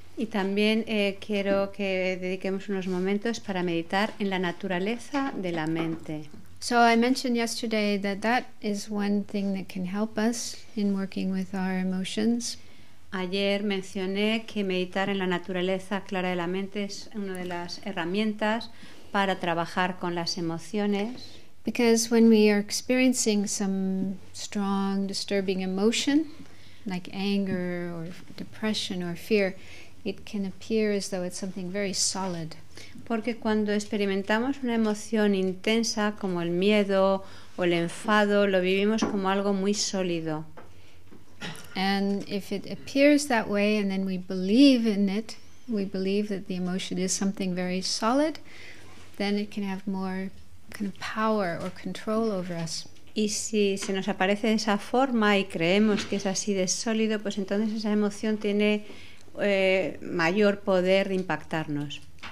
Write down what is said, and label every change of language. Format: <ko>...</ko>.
<es>Y también quiero que dediquemos unos momentos para meditar en la naturaleza de la mente.</es> <en>So I mentioned yesterday that that is one thing that can help us in working with our emotions.</en> <es>Ayer mencioné que meditar en la naturaleza clara de la mente es una de las herramientas para trabajar con las emociones.</es> <en>Because when we are experiencing some strong, disturbing emotion, like anger or depression or fear, it can appear as though it's something very solid.</en> <es>Porque cuando experimentamos una emoción intensa, como el miedo o el enfado, lo vivimos como algo muy sólido.</es> <en>And if it appears that way and then we believe in it, we believe that the emotion is something very solid, then it can have more kind of power or control over us.</en> <es>Y si se nos aparece de esa forma y creemos que es así de sólido, pues entonces esa emoción tiene mayor poder de impactarnos.</es>